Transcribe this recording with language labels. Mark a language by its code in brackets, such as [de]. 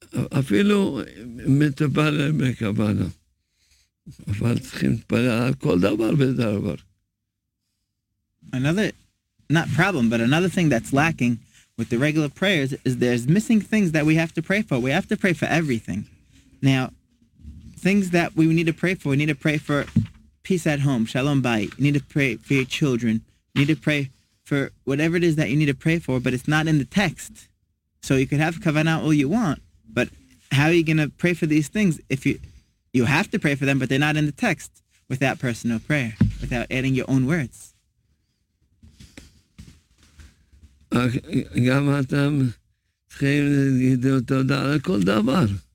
[he] אפילו מטפל בכוונה. אבל צריכים להתפלל על כל דבר ודבר. [en] Another, not problem, but another thing that's lacking with the regular prayers is there's missing things that we have to pray for. We have to pray for everything. Now, things that we need to pray for, we need to pray for peace at home, shalom bayit. You need to pray for your children. You need to pray for whatever it is that you need to pray for, but it's not in the text. So you could have kavanah all you want, but how are you going to pray for these things if you have to pray for them, but they're not in the text without personal prayer, without adding your own words? [he] גם אתם צריכים להגיד תודה על כל דבר.